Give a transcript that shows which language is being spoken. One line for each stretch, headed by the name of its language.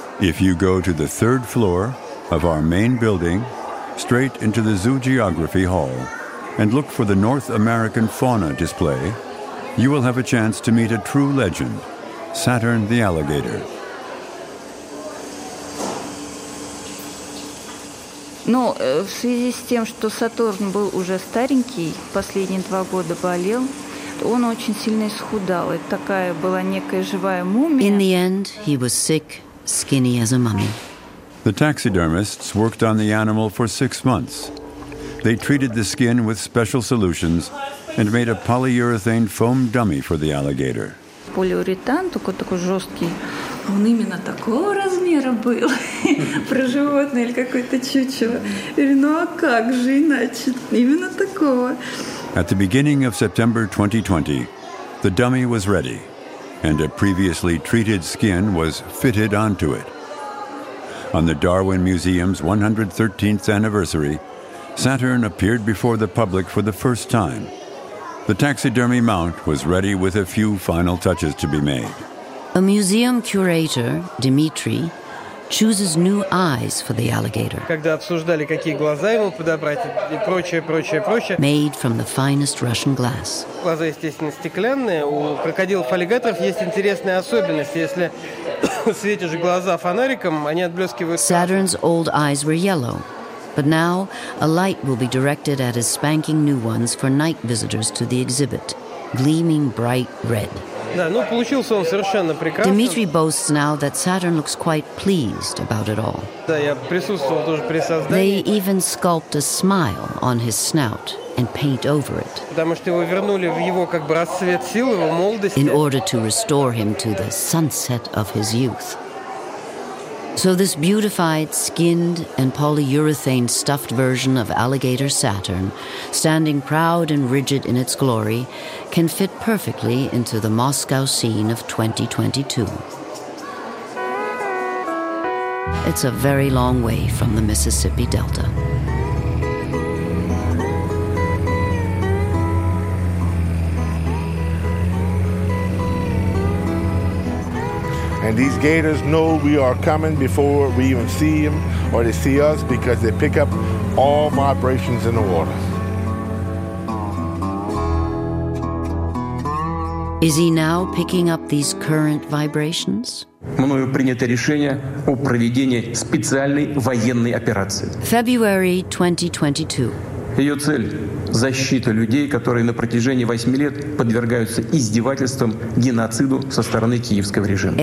English: If you go to the third floor of our main building, straight into the Zoo Geography Hall, and look for the North American fauna display, you will have a chance to meet a true legend, Saturn the alligator.
Russian: Ну, в связи с тем, что Сатурн был уже старенький, последние 2 года болел, он очень сильно исхудал. Это такая была некая живая мумия.
English: In the end, he was sick, skinny as a mummy. The taxidermists worked on the animal for 6 months. They treated the skin with special solutions and made a polyurethane foam dummy for the alligator.
Russian: Полиуретан, такой такой жесткий. Он именно такого размера был. Про животное или какое-то чучело. Ну а как же иначе? Именно такого.
English: At the beginning of September 2020, the dummy was ready, and a previously treated skin was fitted onto it. On the Darwin Museum's 113th anniversary, Saturn appeared before the public for the first time. The taxidermy mount was ready with a few final touches to be made. A museum curator, Dimitri, chooses new eyes for the alligator.
Russian: Когда обсуждали, какие глаза ему подобрать и прочее.
English: Made from the finest Russian glass.
Russian: Глаза, естественно, стеклянные. У крокодилов-аллигаторов есть интересная особенность. Если светишь глаза фонариком, они отблескивают.
English: Saturn's old eyes were yellow, but now a light will be directed at his spanking new ones for night visitors to the exhibit, gleaming bright red.
Russian: Да, ну получился он совершенно прекрасно.
English: Dimitri boasts now that Saturn looks quite pleased about it all.
Russian: Да, я присутствовал тоже при создании.
English: They even sculpt a smile on his snout and paint over it.
Russian: Потому что его вернули в его как бы расцвет сил, его молодости.
English: In order to restore him to the sunset of his youth. So this beautified, skinned, and polyurethane stuffed version of alligator Saturn, standing proud and rigid in its glory, can fit perfectly into the Moscow scene of 2022. It's a very long way from the Mississippi Delta. And these gators know we are coming before we even see them or they see us because they pick up all vibrations in the water. Is he now picking up these current vibrations?
Russian: Мною принято решение о проведении специальной военной операции.
English: February 2022.
Russian: Ее цель – защита людей, которые на протяжении 8 лет подвергаются издевательствам, геноциду со стороны киевского режима.